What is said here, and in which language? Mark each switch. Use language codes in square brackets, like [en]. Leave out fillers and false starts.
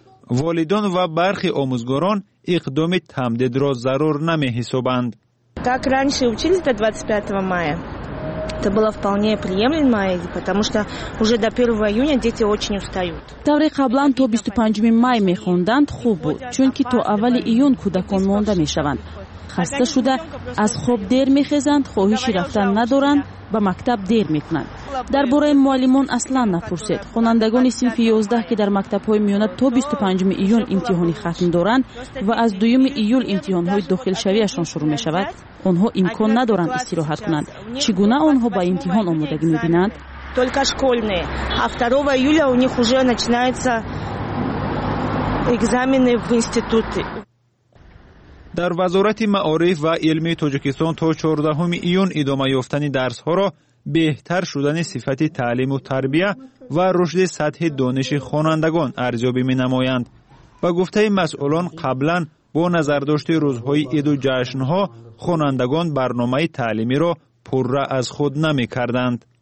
[fa] والدان و برخی آموزگاران اقدام تمدید را ضرور نمی حسابند. [ru] Как раньше учились до 25 мая? Это было вполне приемлемо, потому что уже до 1 июня дети очень устают. [tg] Тавре қаблан то 25 май мехонданд хуб буд, чунки то аввали июн кудакон монда мешаванд. Хаста шуда аз хоб дер мехезанд, хоҳиши рафтан надоранд, ба мактаб дер мекунанд. Дар бораи муаллимон аслан напурсед. Хонандагони синфи 11, ки дар мактабҳои миёна то 25 июн имтиҳони хатм доранд ва аз 2 июл имтиҳонҳои дохилшавиашон шуруъ мешавад, онҳо имкон надоранд истироҳат кунанд. Чӣ гуна онҳо ба имтиҳон омодагӣ мебинанд? [ru] Только школьные. А 2 июля у них уже начинаются экзамены в институты. [fa] در وزارت معارف و علم تاجیکستان تا 14 ایون ادامه یافتن درس ها را بهتر شدن صفت تعلیم و تربیه و رشد سطح دانش خوانندگان ارزیابی می نمایند. با گفته مسئولان قبلا با نظرداشت روزهای عید و جشن ها خوانندگان برنامه تعلیمی را پر را از خود نمی کردند.